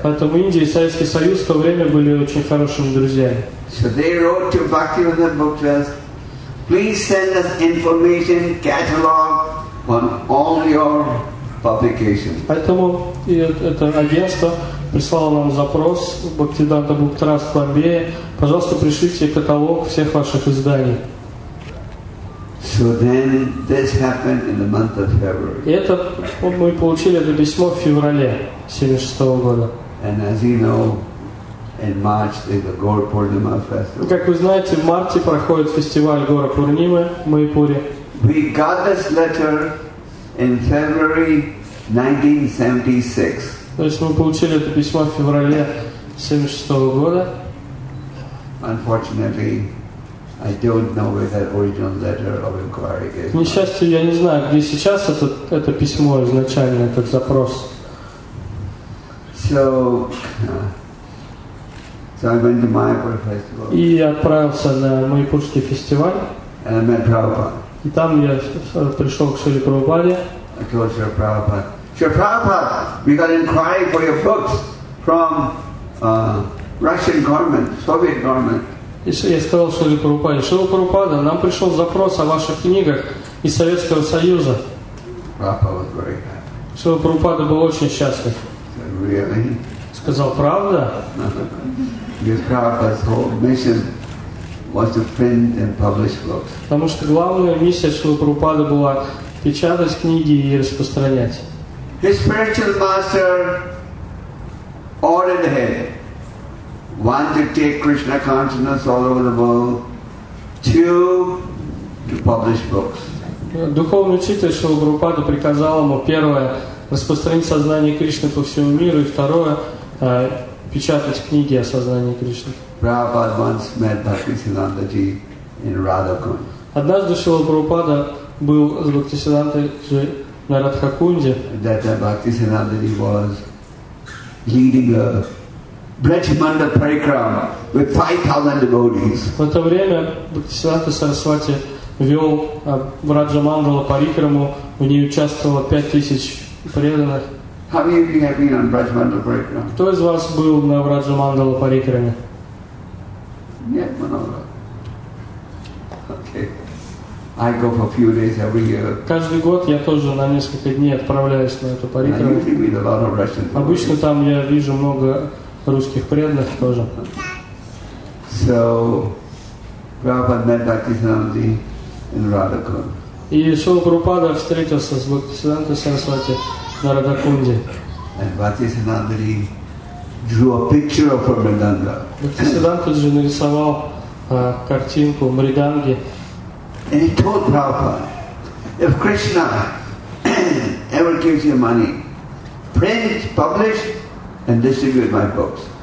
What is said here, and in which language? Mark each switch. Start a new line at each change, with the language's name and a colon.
Russian: Поэтому Индия и Советский Союз в то время были очень хорошими друзьями.
English: So they wrote to Bhaktivedanta Book Trust, please send us information catalog on all your publications.
Russian: Поэтому это агентство прислало нам запрос Bhaktivedanta Book Trust в Бомбее: пожалуйста, пришлите каталог всех ваших изданий.
English: So then this happened in the month of February.
Russian: И это мы получили это письмо в феврале 76 года.
English: And as you know, in March there's a Gaur Purnima festival.
Russian: Как вы знаете, в марте проходит фестиваль Гора Пурнимы в Майпуре.
English: We got this letter in February 1976.
Russian: То есть мы получили это письмо в феврале 76 года.
English: Unfortunately, I don't know where that original letter of inquiry is.
Russian: К несчастью, я не знаю, где сейчас это письмо изначально, этот запрос.
English: So I went to Mayapur festival.
Russian: И отправился на Майпурский фестиваль.
English: And I met Prabhupada.
Russian: И там я пришел к Шри Прабхупаде.
English: I told Shri Prabhupada, Shri Prabhupada, we got inquiry for your books from Russian government, Soviet government.
Russian: Я сказал Шри Прабхупаде, Шри Прабхупада, нам пришел запрос о ваших книгах из Советского Союза.
English: Prabhupada was very happy.
Russian: Шри Прабхупада был очень счастлив.
English: Really?
Russian: Сказал, правда?
English: Because Prabhupada's whole mission was to print and publish books.
Russian: Потому что главная миссия Шри Прабхупады была печатать книги и распространять.
English: His spiritual master ordered him. One, to take Krishna consciousness all over the world. Two, to publish books.
Russian: Духовный учитель Шрила Прабхупада приказал ему, первое, распространить сознание Кришны по всему миру, и второе, печатать книги о сознании Кришны.
English: Prabhupada once met Bhaktisiddhanta Ji in Radhakund.
Russian: Однажды Шрила Прабхупада был с Бхактисиддханта Ji на Радхакунде.
English: That Bhaktisiddhanta Ji was leading a Brajmanda Parikram with 5,000 devotees.
Russian: В это время Бхактисиддханта Сарасвати вел Браджамандала Парикраму, в ней участвовало 5,000 преданных.
English: How many of you have been on Brajmanda Parikram?
Russian: Кто из вас был на Браджамандала Парикраме? Нет, много.
English: Okay. I go for a few days every year.
Russian: Каждый год я тоже на несколько дней отправляюсь на эту Парикраму.
English: I usually meet a lot of Russian devotees.
Russian: Обычно там я вижу много русских преданных тоже.
English: So, Prabhupada met Bhaktisiddhanta Ji in Radhakund.
Russian: И Шрила Прабхупада встретился с Бхактисиддханта Сарасвати на Радхакунде.
English: And Bhaktisiddhanta Ji drew a picture of Мриданга.
Russian: Бхактисиддханта Ji нарисовал картинку Мриданги.
English: And he told Prabhupada, if Krishna ever gives you money, print, publish, and distribute my books.